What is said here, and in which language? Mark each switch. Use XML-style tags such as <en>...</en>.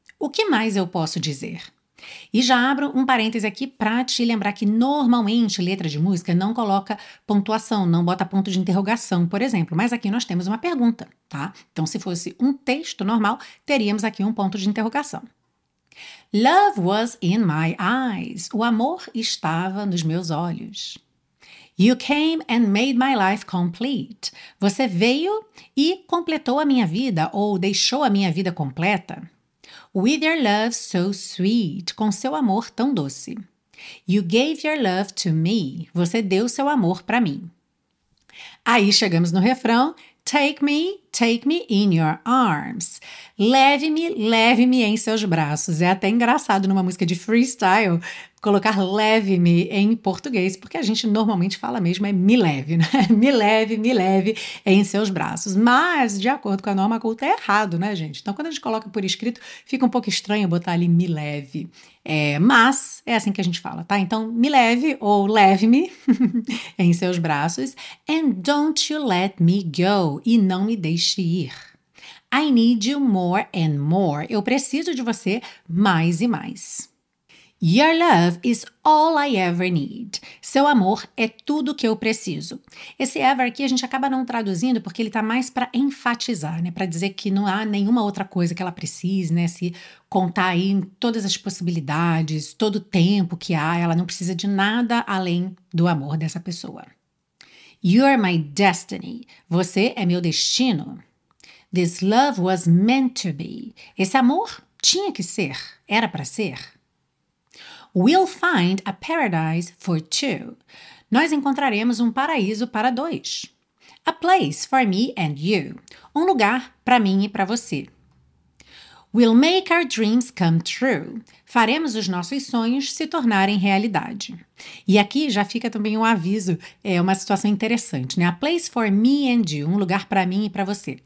<pt>O que mais eu posso dizer? E já abro um parêntese aqui para te lembrar que normalmente letra de música não coloca pontuação, não bota ponto de interrogação, por exemplo. Mas aqui nós temos uma pergunta, tá? Então, se fosse um texto normal, teríamos aqui um ponto de interrogação.</pt> <en>Love was in my eyes.</en> <pt>O amor estava nos meus olhos.</pt> <en>You came and made my life complete.</en> <pt>Você veio e completou a minha vida, ou deixou a minha vida completa.</pt> <en>With your love so sweet,</en> <pt>com seu amor tão doce.</pt> <en>You gave your love to me.</en> <pt>Você deu seu amor para mim. Aí chegamos no refrão.</pt> <en>Take me in your arms.</en> <pt>Leve-me em seus braços. É até engraçado numa música de freestyle colocar leve-me em português, porque a gente normalmente fala mesmo é me leve, né? Me leve em seus braços. Mas, de acordo com a norma culta, é errado, né, gente? Então, quando a gente coloca por escrito, fica um pouco estranho botar ali me leve. Mas é assim que a gente fala, tá? Então, me leve ou leve-me em seus braços.</pt> <en>And don't you let me go.</en> <pt>E não me deixe ir.</pt> <en>I need you more and more.</en> <pt>Eu preciso de você mais e mais.</pt> <en>Your love is all I ever need.</en> <pt>Seu amor é tudo que eu preciso. Esse ever aqui a gente acaba não traduzindo porque ele está mais para enfatizar, né? Para dizer que não há nenhuma outra coisa que ela precise, né? Se contar aí todas as possibilidades, todo o tempo que há, ela não precisa de nada além do amor dessa pessoa.</pt> <en>You're my destiny.</en> <pt>Você é meu destino.</pt> <en>This love was meant to be.</en> <pt>Esse amor tinha que ser, era para ser.</pt> <en>We'll find a paradise for two.</en> <pt>Nós encontraremos um paraíso para dois.</pt> <en>A place for me and you.</en> <pt>Um lugar para mim e para você.</pt> <en>We'll make our dreams come true.</en> <pt>faremos os nossos sonhos se tornarem realidade. E aqui já fica também um aviso, é uma situação interessante, né?</pt> <en>A place for me and you,</en> <pt>um lugar para mim e para você.</pt>